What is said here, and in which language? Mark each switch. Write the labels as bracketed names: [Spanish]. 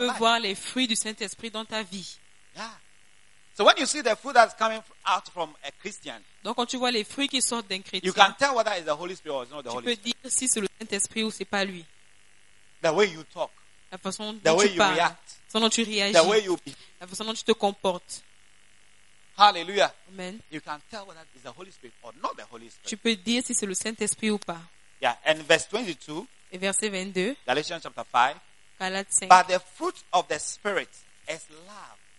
[French] Mais tu peux voir les fruits du Saint-Esprit dans ta vie. [English] Yeah. So when you see the fruit that's coming out from a Christian, [French] donc quand tu vois les fruits qui sortent d'un chrétien, [English] you can tell whether it's the Holy Spirit or it's not the Holy Spirit. [French] Tu peux dire si c'est le Saint-Esprit ou c'est pas lui. [English] The way you talk, [French] la façon dont [English] the [French] tu [English] way [French] parles, [English] you react, [French] la façon dont tu réagis, [English] the way you be, [French] la façon dont tu te comportes. Hallelujah. Amen. [English] You can tell whether it's the Holy Spirit or not the Holy Spirit. [French] Tu peux dire si c'est le Saint-Esprit ou pas. [English] Yeah, and verse 22. [French] Et verset 22. [English] Galatians chapter 5. [French] Galates 5. [English] But the fruit of the Spirit is love.